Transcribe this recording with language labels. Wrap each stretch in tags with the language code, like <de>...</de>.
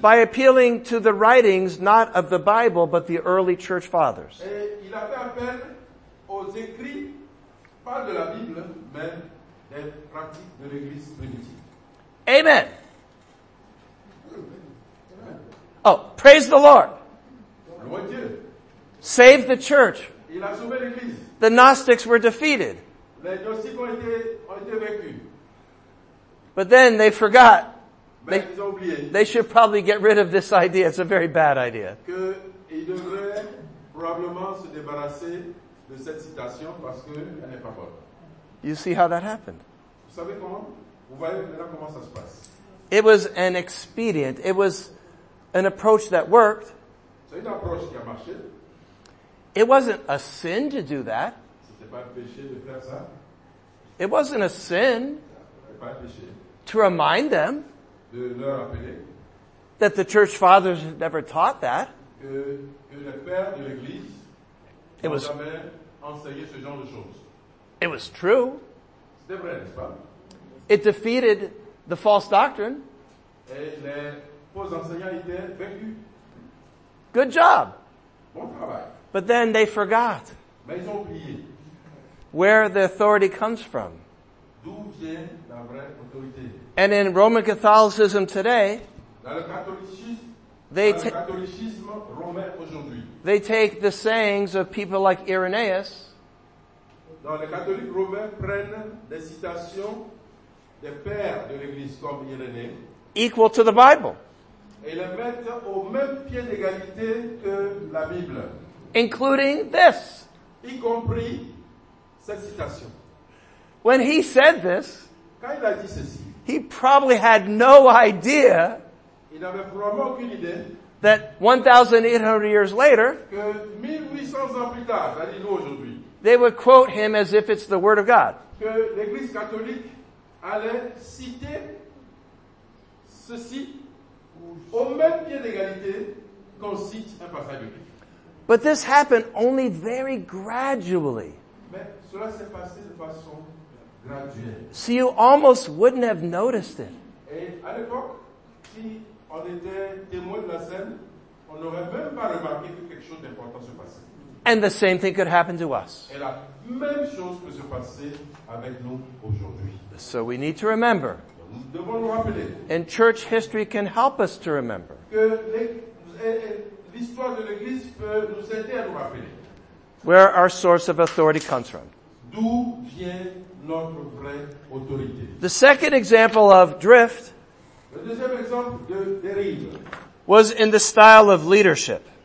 <en>By appealing to the writings, not of the Bible, but the early church fathers.</en> <fr>Et il a fait appel aux écrits, pas de la Bible, mais des pratiques de l'Église primitive.</fr> <en>Amen. Praise the Lord.</en> <fr>Lord Dieu.</fr> <en>Save the church.</en> <fr>Il a sauvé l'église.</fr> <en>The Gnostics were defeated.</en> <fr>Les Gnostics ont été vaincus.</fr> <en>But then they forgot.</en> <fr>Mais ils ont oublié.</fr> <en>They should probably get rid of this idea. It's a very bad idea.</en> <fr>Que ils devraient probablement se débarrasser de cette citation parce qu'elle n'est pas bonne.</fr> <en>You see how that happened.</en> <fr>Vous savez comment? Vous voyez maintenant comment ça se passe.</fr> <en>It was an expedient. It was an approach that worked.</en> <fr>C'est une approche qui a marché.</fr> <en>It wasn't a sin to do that.</en> <fr>C'était pas un péché de faire ça.</fr> <en>It wasn't a sin.</en> <fr>C'était pas un péché.</fr> <en>To remind them.</en> <fr>De leur rappeler.</fr> <en>That the church fathers had never taught that.</en> <fr>Que les pères de l'église n'ont jamais enseigné ce genre de choses.</fr> <en>It was true.</en> <fr>C'était vrai, n'est-ce pas?</fr> <en>It defeated the false doctrine.</en> <fr>Et les faux enseignants étaient vaincus.</fr> <en>Good job.</en> <fr>Bon travail.</fr> <en>But then they forgot.</en> <fr>Mais ils ont oublié.</fr> <en>Where the authority comes from.</en> <fr>D'où vient la vraie autorité.</fr> <en>And in Roman Catholicism today,</en> <fr>dans le catholicisme, romain aujourd'hui,</fr> <en>they take the sayings of people like Irenaeus.</en> <fr>Dans les catholiques romains prennent des citations des pères de l'église comme Irénée.</fr> <en>Equal to the Bible.</en> <fr>Et les mettent au même pied d'égalité que la Bible.</fr> <en>Including this.</en> <fr>Y compris cette citation.</fr> <en>When he said this,</en> <fr>quand il a dit ceci,</fr> <en>he probably had no idea that 1,800 years later,</en> <fr>que 1,800 ans plus tard, ça dit nous aujourd'hui,</fr> <en>they would quote him as if it's the Word of God.</en> <fr>Que l'Église catholique allait citer ceci au même pied d'égalité qu'on cite un passage biblique.</fr> <en>But this happened only very gradually.</en> <fr>Mais cela s'est passé de façon graduelle.</fr> <en>So you almost wouldn't have noticed it.</en> <fr>Et à l'époque, si on était témoin de la scène, on n'aurait même pas remarqué que quelque chose d'important se passait.</fr> <en>And the same thing could happen to us.</en> <fr>Et la même chose peut se passer avec nous aujourd'hui.</fr> <en>So we need to remember.</en> <fr>Nous devons nous rappeler.</fr> <en>And church history can help us to remember.</en> <fr>Que l'histoire de l'Église peut nous aider à nous rappeler.</fr> <en>Where our source of authority comes from.</en> <fr>D'où vient notre vraie autorité.</fr> <en>The second example of drift.</en> <fr>Le deuxième exemple de dérive.</fr> <en>Was in the style of leadership.</en>